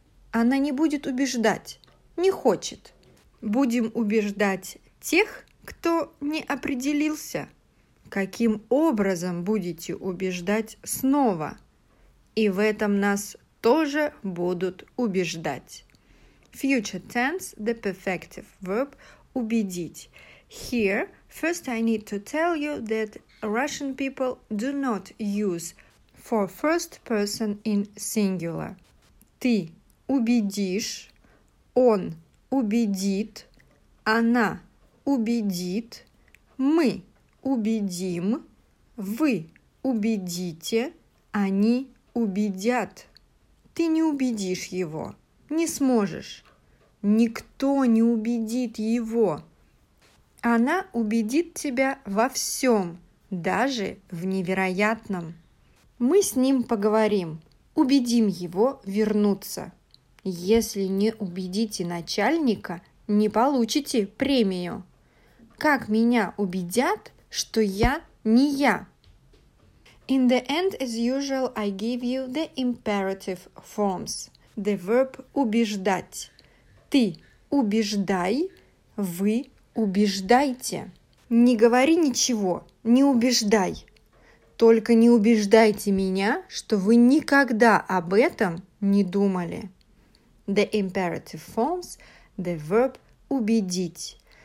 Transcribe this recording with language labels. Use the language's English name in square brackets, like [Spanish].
[Russian] Она не будет убеждать, не хочет. Будем убеждать тех, кто не определился. Каким образом будете убеждать снова? И в этом нас тоже будут убеждать. [English] Future tense, the perfective verb убедить. Here, first I need to tell you that Russian people do not use for first person in singular. [Russian] Ты убедишь, он убедит, она убедит, мы убедим, вы убедите, они убедят. Ты не убедишь его, не сможешь. Никто не убедит его. Она убедит тебя во всем, даже в невероятном. Мы с ним поговорим, убедим его вернуться. Если не убедите начальника, не получите премию. Как меня убедят, что я не я? [English] In the end, as usual, I give you the imperative forms. The verb убеждать. [Russian] Ты убеждай, вы убеждайте. Не говори ничего, не убеждай. Только не убеждайте меня, что вы никогда об этом не думали. [English] The imperative forms, the verb убедить.